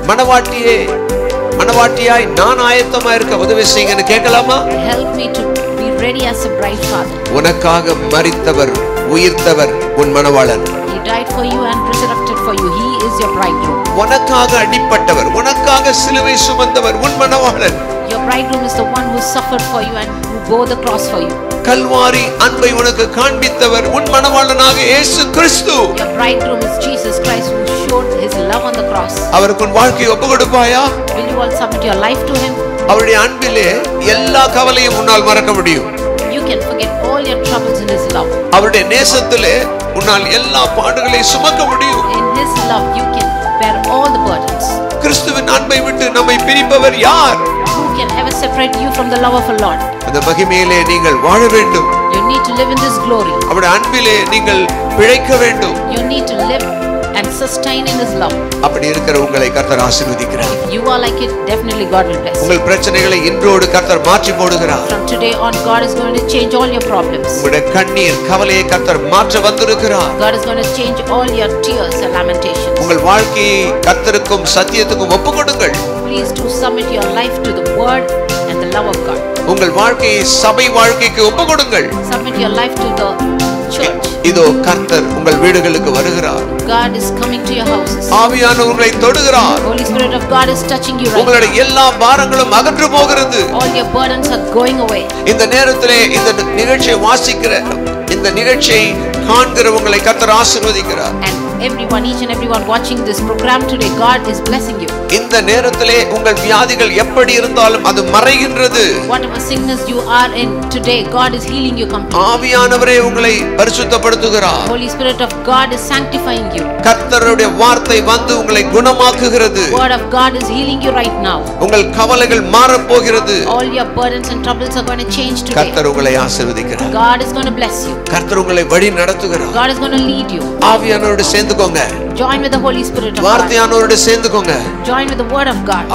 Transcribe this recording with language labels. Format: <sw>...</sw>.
<ta>மனவாட்டியே மனவாட்டியாய் நான் ஆயத்தமா இருக்க உதவி செய்யணும் கேட்கலாமா?</ta> <en>Help me to be ready as a bride father.</en> <ta>உனக்காக மரித்தவர் உயிர்த்தவர் உன் மனவாளன்.</ta> <en>He died for you and resurrected for you. He is your bridegroom.</en> <ta>உனக்காக அடிபட்டவர் உனக்காக சிலுவை சுமந்தவர் உன் மனவாளன்.</ta> <en>Your bridegroom is the one who suffered for you and who bore the cross for you.</en> <ta>Kalvari அன்பை உனக்கு காண்பித்தவர் உன் மனவாளனாக இயேசு கிறிஸ்து.</ta> <en>Your bridegroom is Jesus Christ who showed his love on the cross.</en> <ta>அவருக்கு உன் வாழ்க்கையை ஒப்புக்கொடுப்பாயா?</ta> <en>Will you all submit your life to him?</en> <ta>அவருடைய அன்பிலே எல்லா கவலையும் உன்னால் மறக்க முடியும்.</ta> <en>You can forget all your troubles in his love.</en> <ta>அவருடைய நேசத்திலே உன்னால் எல்லா பாடுகளையும் சுமக்க முடியும்.</ta> <en>In his love you can bear all the burdens.</en> <ta>கிறிஸ்துவின் அன்பை விட்டு நம்மை பிரிப்பவர் யார்?</ta> <en>Can ever separate you from the love of the Lord?</en> <ta>அந்த மகிமையிலே நீங்கள் வாழ வேண்டும்.</ta> <en>You need to live in this glory.</en> <ta>அவருடைய அன்பிலே நீங்கள் பிழைக்க வேண்டும்.</ta> <en>You need to live and sustain in his love.</en> <ta>அப்படி இருக்கிற உங்களை கர்த்தர் ஆசீர்வதிக்கிறார்.</ta> <en>You are like it, definitely God will bless.</en> <ta>உங்கள் பிரச்சனைகளை இன்றோடு கர்த்தர் மாற்றி போடுகிறார்.</ta> <en>From today on God is going to change all your problems.</en> <ta>உங்களுடைய கண்ணீர் கவலையை கர்த்தர் மாற்ற வந்திருக்கிறார்.</ta> <en>God is going to change all your tears and lamentations.</en> <ta>உங்கள் வாழ்க்கையை கர்த்தருக்கும் சத்தியத்துக்கும் ஒப்புக்கொடுங்கள்.</ta> <en>Please to submit your life to the word and the love of God.</en> <ta>உங்கள் வாழ்க்கையை சபை வாழ்க்கைக்கு ஒப்புக்கொடுங்கள்.</ta> <en>Submit your life to the church.</en> <ta>இதோ கர்த்தர் உங்கள் வீடுகளுக்கு வருகிறார்.</ta> <en>God is coming to your houses.</en> <ta>ஆவியானவர் உங்களை தொடுகிறார்.</ta> <en>Holy Spirit of God is touching you right now.</en> <ta>உங்களுடைய எல்லா பாரங்களும் அகன்று போகிறது.</ta> <en>All your burdens are going away.</en> <ta>இந்த நேரத்திலே இந்த நிகழ்ச்சியை வாசிக்கிற இந்த நிகழ்ச்சியை காண்கிறவங்களை கர்த்தர் ஆசீர்வதிக்கிறார்.</ta> <en>Everyone, each and everyone watching this program today, God is blessing you.</en> <ta>இந்த நேரத்திலே உங்கள் வியாதிகள் எப்படி இருந்தாலும் அது மறைகின்றது.</ta> <en>Whatever sickness you are in today, God is healing you completely.</en> <ta>ஆவியானவரே உங்களை பரிசுத்தப்படுத்துகிறார்.</ta> <en>Holy Spirit of God is sanctifying you.</en> <ta>கர்த்தருடைய வார்த்தை வந்து உங்களை குணமாக்குகிறது.</ta> <en>Word of God is healing you right now.</en> <ta>உங்கள் கவலைகள் மாற போகிறது.</ta> <en>All your burdens and troubles are going to change today.</en> <ta>கர்த்தர் உங்களை ஆசீர்வதிக்கிறார்.</ta> <en>God is going to bless you.</en> <ta>கர்த்தர் உங்களை வழி நடத்துகிறார்.</ta> <en>God is going to lead you.</en> <ta>ஆவியானவரோடு சேர்ந்து கொங்க.</ta> <en>join with the Holy Spirit of</en> <ta>வார்த்தையானவரோடு சேர்ந்துக்கோங்க</ta> <en>join with the word of God</en>